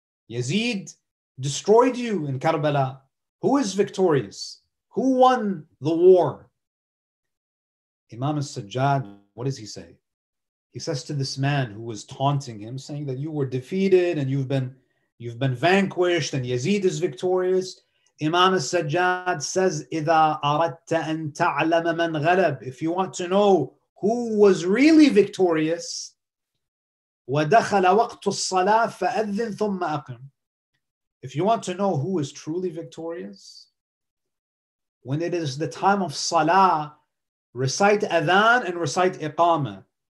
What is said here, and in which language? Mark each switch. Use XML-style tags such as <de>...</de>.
<en>Yazid destroyed you in Karbala. Who is victorious? Who won the war? Imam al-Sajjad, what does he say? He says to this man who was taunting him, saying that you were defeated and you've been vanquished and Yazid is victorious. Imam al-Sajjad says,</en> <ar>إِذَا أَرَدْتَ أَن تَعْلَمَ مَنْ غَلَبْ.</ar> <en>If you want to know who was really victorious,</en> <ar>وَدَخَلَ وَقْتُ الصَّلَاةِ فَأَذِّنْ ثُمَّ أَقِمْ.</ar> <en>If you want to know who is truly victorious, when it is the time of salah, recite adhan and recite iqamah.</en>